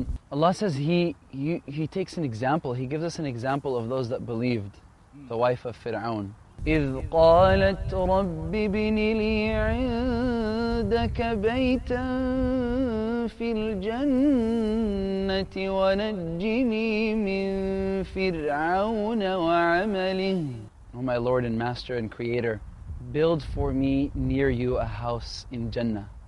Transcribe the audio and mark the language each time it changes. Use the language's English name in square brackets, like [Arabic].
[English] Allah says he takes an example. He gives us an example of those that believed, the wife of Fir'aun. [Arabic] إذ قالت رب ابن لي عندك بيتا في الجنة ونجني من فرعون وعمله. [English] Oh my Lord and Master and Creator, build for me near you a house in Jannah.